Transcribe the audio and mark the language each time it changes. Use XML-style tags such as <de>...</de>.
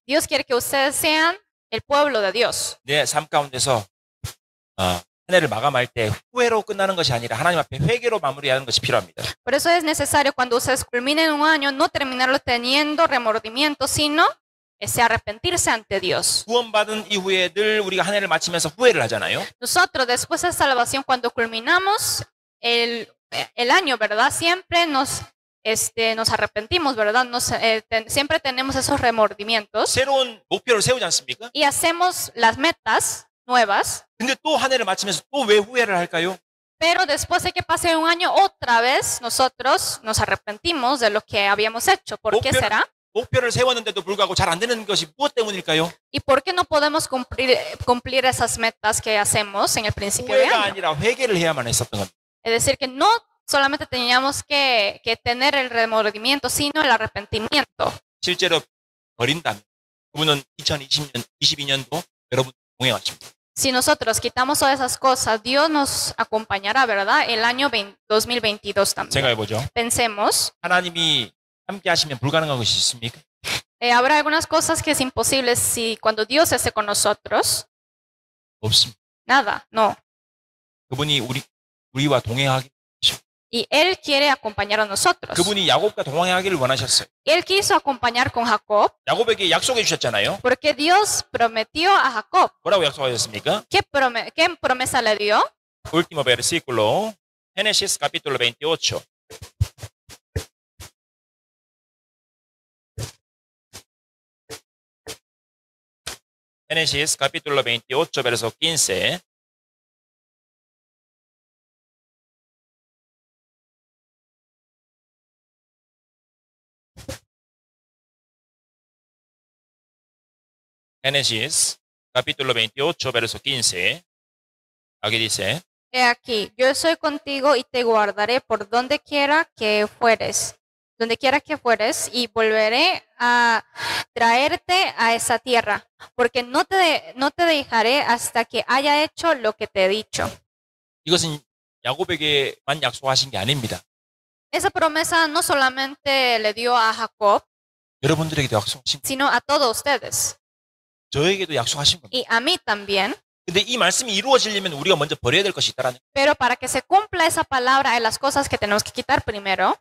<es>Dios quiere que ustedes sean el pueblo de Dios.</es> <ko>내 삶 가운데서 한 해를 마감할 때 후회로 끝나는 것이 아니라 하나님 앞에 회개로 마무리하는 것이 필요합니다.</ko> <es>Por eso es necesario cuando ustedes culminen un año no terminarlo teniendo remordimiento sino ese arrepentirse ante Dios.</es> <ko>구원받은 이후에 늘 우리가 한 해를 마치면서 후회를 하잖아요.</ko> <es>Nosotros después de salvación cuando culminamos el año, ¿verdad? Siempre nos arrepentimos, ¿verdad? Siempre tenemos esos remordimientos.</es> <ko>새로운 목표를 세우지 않습니까?</ko> <es>Y hacemos las metas nuevas.</es> <ko>근데 또 한 해를 마치면서 또 왜 후회를 할까요?</ko> <es>Pero después de que pase un año otra vez nosotros nos arrepentimos de lo que habíamos hecho. ¿Por qué será?</es> <ko>목표를 세웠는데도 불구하고 잘 안 되는 것이 무엇 때문일까요?</ko> <es>¿Y por qué no podemos cumplir esas metas que hacemos en el principio de año?</es> <ko>후회가 아니라 회개를 해야만 했었던 겁니다.</ko> <es>Es decir que no solamente teníamos que tener el remordimiento sino el arrepentimiento.</es> <ko>실제로 버린다면 그분은 2020년 22년도 여러분 동행하십니다.</ko> <es>Si nosotros quitamos todas esas cosas, Dios nos acompañará, ¿verdad? El año 2022 también.</es> <ko>생각해보죠.</ko> <es>Pensemos.</es> <ko>하나님이 함께 하시면 불가능한 것이 있습니까?</ko> <es>Habrá algunas cosas que es imposible si cuando Dios esté con nosotros.</es> <ko>없습니다.</ko> <es>Nada, no.</es> <ko>그분이 우리와 동행하기.</ko> <es>Y él quiere acompañar a nosotros.</es> <ko>그분이 야곱과 동행하기를 원하셨어요.</ko> <es>Él quiso acompañar con Jacob.</es> <ko>야곱에게 약속해 주셨잖아요.</ko> <es>Porque Dios prometió a Jacob.</es> <ko>뭐라고 약속하셨습니까?</ko> <es>¿Qué promesa le dio? Último versículo. Génesis capítulo 28. Génesis capítulo 28, verso 15. Génesis, capítulo 28, verso 15. Aquí dice: He aquí, yo soy contigo y te guardaré por donde quiera que fueres, donde quiera que fueres, y volveré a traerte a esa tierra, porque no te dejaré hasta que haya hecho lo que te he dicho.</es> <ko>이것은 야곱에게만 약속하신 게 아닙니다.</ko> <es>Esa promesa no solamente le dio a Jacob,</es> <ko>여러분들에게도 약속하신</ko> <es>sino a todos ustedes.</es> <ko>저에게도 약속하신 겁니다.</ko> <es>Y a mí también.</es> <ko>근데 이 말씀이 이루어지려면 우리가 먼저 버려야 될 것이 있다라는 거예요.</ko> <es>Pero para que se cumpla esa palabra hay las cosas que tenemos que quitar primero.</es>